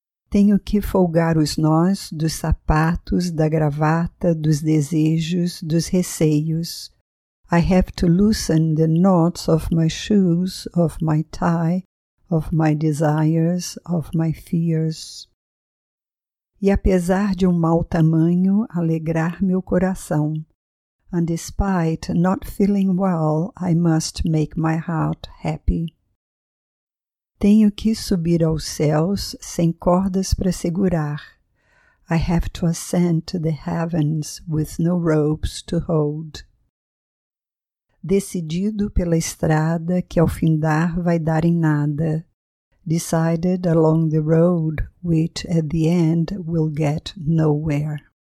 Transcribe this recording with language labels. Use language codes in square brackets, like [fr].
[pt] Tenho que folgar os nós dos sapatos, da gravata, dos desejos, dos receios. [en] I have to loosen the knots of my shoes, of my tie, of my desires, of my fears. [pt] E apesar de mau tamanho, alegrar meu coração. [en] And despite not feeling well, I must make my heart happy. [pt] Tenho que subir aos céus sem cordas para segurar. [en] I have to ascend to the heavens with no ropes to hold. [pt] Decidido pela estrada que ao findar vai dar em nada. [en] Decided along the road which at the end will get nowhere.